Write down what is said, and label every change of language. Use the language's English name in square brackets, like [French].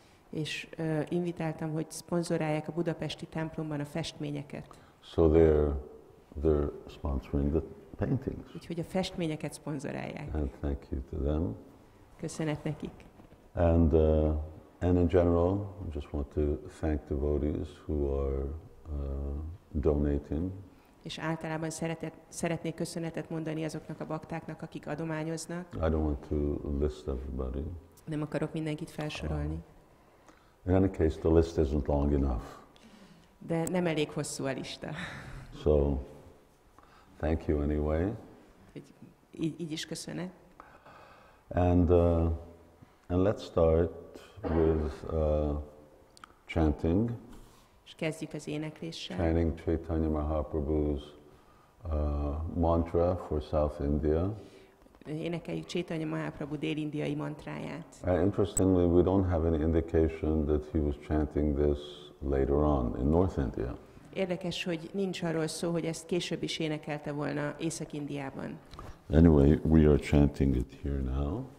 [Hungarian] És invitáltam, hogy szponzorálják a budapesti templomban a festményeket. [English] So they're sponsoring the paintings. [Hungarian] Úgyhogy a festményeket szponzorálják. [English] And thank you to them. [Hungarian] Köszönet nekik. [English] And in general, I just want to thank devotees who are donating. [Hungarian] És általában szeretnék köszönetet mondani azoknak a baktáknak, akik adományoznak. [English] I don't want to list everybody. [Hungarian] Nem akarok mindenkit felsorolni. [English] In any case, the list isn't long enough. [Hungarian] De nem elég hosszú a lista. [English] So, thank you anyway. [Hungarian] Így is köszönet. [English] And let's start with chanting. [Hungarian] És kezdjük az énekléssel. [English] Chanting Chaitanya Mahaprabhu's mantra for South India. [Hungarian] Énekeljük Chaitanya Mahaprabhu dél-indiai mantráját. [English] Interestingly, we don't have any indication that he was chanting this later on in North India. [Hungarian] Érdekes, hogy nincs arról szó, hogy ezt később is énekelte volna Észak-Indiában. [English] Anyway, we are chanting it here now.